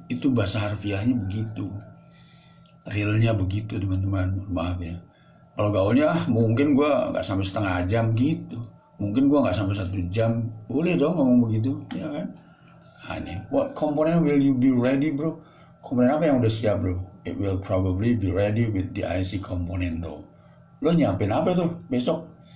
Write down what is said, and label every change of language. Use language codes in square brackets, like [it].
[id] Itu bahasa harfiahnya begitu. Realnya begitu teman-teman. Maaf ya. Kalau gaulnya mungkin gue gak sampai setengah jam gitu. Mungkin gue gak sampai satu jam. Boleh dong ngomong begitu. Ya kan? Aneh. [en] What component will you be ready bro? [id] Komponen apa yang udah siap bro? [en] It will probably be ready with the IC component though. [id] Lo nyiapin apa tuh besok?